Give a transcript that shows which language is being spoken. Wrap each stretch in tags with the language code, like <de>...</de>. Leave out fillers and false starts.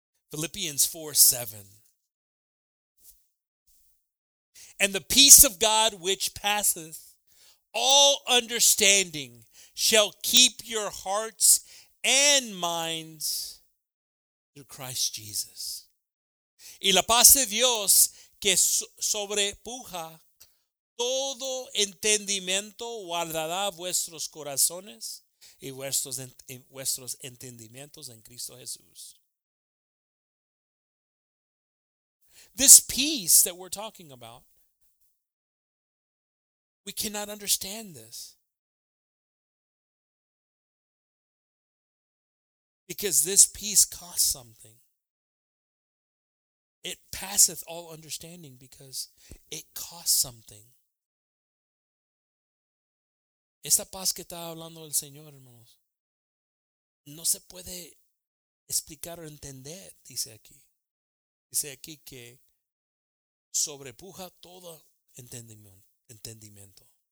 <en>Philippians 4:7. And the peace of God which passeth all understanding shall keep your hearts and minds through Christ Jesus.</en> <es>Y la paz de Dios que sobrepuja todo entendimiento guardará vuestros corazones. Y vuestros entendimientos en Cristo Jesús.</es> <en>This peace that we're talking about, we cannot understand this. Because this peace costs something. It passeth all understanding because it costs something.</en> <es>Esta paz que está hablando el Señor, hermanos, no se puede explicar o entender, dice aquí. Dice aquí que sobrepuja todo entendimiento.</es>